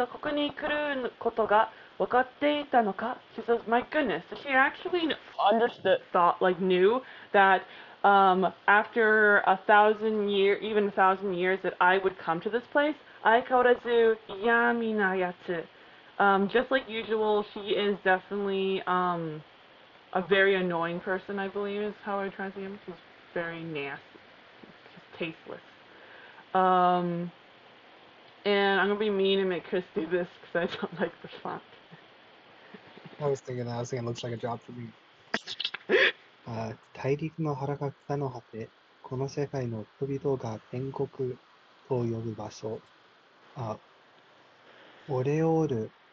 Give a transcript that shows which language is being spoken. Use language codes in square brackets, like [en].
[ja] 1000年も前から私がここに来ることが分かっていたのか? [en] She says, my goodness. So she actually understood, thought, like knew that after 1,000 years, even 1,000 years, that I would come to this place. [ja] 相変わらず闇なやつ. [en] Just like usual, she is definitely a very annoying person, I believe is how I translate him. She's very nasty. She's tasteless. And I'm going to be mean and make Chris do this because I don't like the font. I was thinking it looks like a job for me. [ja] 大陸の腹が北の果て、この世界の人々が天国と呼ぶ場所、オレオール。